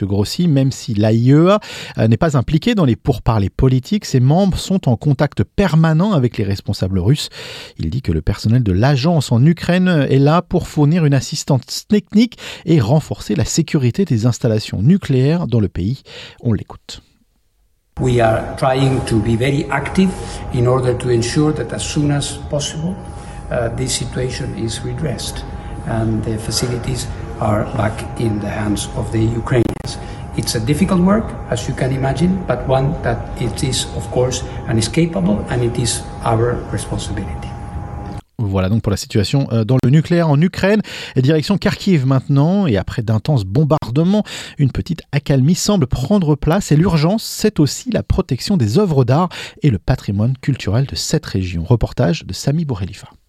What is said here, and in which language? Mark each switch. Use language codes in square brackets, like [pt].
[fr] Grossi, même si l'AIEA n'est pas impliquée dans les pourparlers politiques, ses membres sont en contact permanent avec les responsables russes. Il dit que le personnel de l'agence en Ukraine est là pour fournir une assistance technique et renforcer la sécurité des installations nucléaires dans le pays. On l'écoute. [en] We are trying to be very active in order to ensure that as soon as possible this situation is redressed and the facilities are back in the hands of the Ukrainians. It's a difficult work, as you can imagine, but one that it is, of course, inescapable, and it is our responsibility. [fr] Voilà donc pour la situation dans le nucléaire en Ukraine. Direction Kharkiv maintenant, et après d'intenses bombardements, une petite accalmie semble prendre place. Et l'urgence, c'est aussi la protection des œuvres d'art et le patrimoine culturel de cette région. Reportage de Sami Bourelifa.